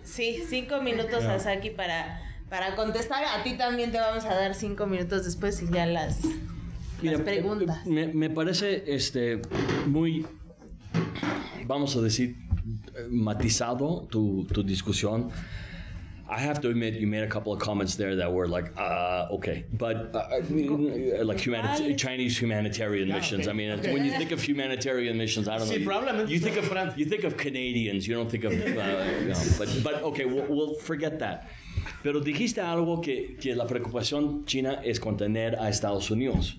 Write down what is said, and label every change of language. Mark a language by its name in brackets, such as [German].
[Spanish] Sí, 5 minutos, claro. A Saki para contestar. A ti también te vamos a dar 5 minutos después y ya las preguntas. Me parece muy, vamos a decir, matizado tu discusión. [English] I have to admit, you made a couple of comments there that were like, okay. But like Chinese humanitarian missions. Okay. I mean, when you think of humanitarian missions, I don't know. You think of Canadians, you don't think of, but okay, we'll forget that. [Spanish] Pero dijiste algo que la preocupación china es contener a Estados Unidos.